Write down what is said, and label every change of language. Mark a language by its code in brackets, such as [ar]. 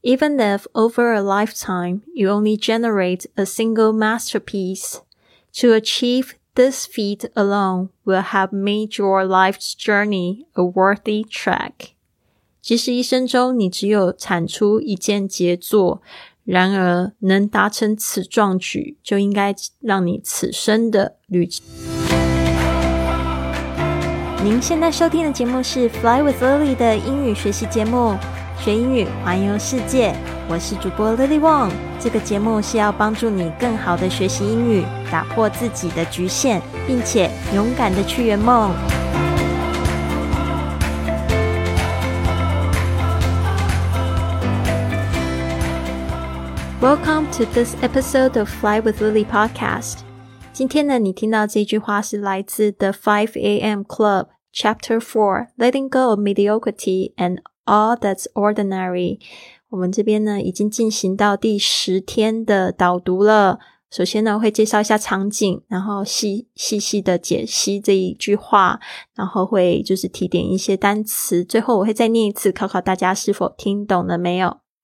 [en] Even if over a lifetime you only generate a single masterpiece, to achieve this feat alone will have made your life's journey a worthy track. [zh] 即使一生中你只有产出一件杰作，然而能达成此壮举，就应该让你此生的旅程。您现在收听的节目是 Fly with Lily 的英语学习节目，学英语环游世界，我是主播 Lily Wong。这个节目是要帮助你更好的学习英语，打破自己的局限，并且勇敢的去圆梦。 [en] Welcome to this episode of Fly with Lily podcast. [zh] 今天呢，你听到这句话是来自 The 5AM Club, Chapter 4, Letting Go of Mediocrity and All That's Ordinary. 我们这边呢，已经进行到第十天的导读了。首先呢，会介绍一下场景，然后细的解析这一句话，然后会就是提点一些单词，最后我会再念一次，考考大家是否听懂了没有。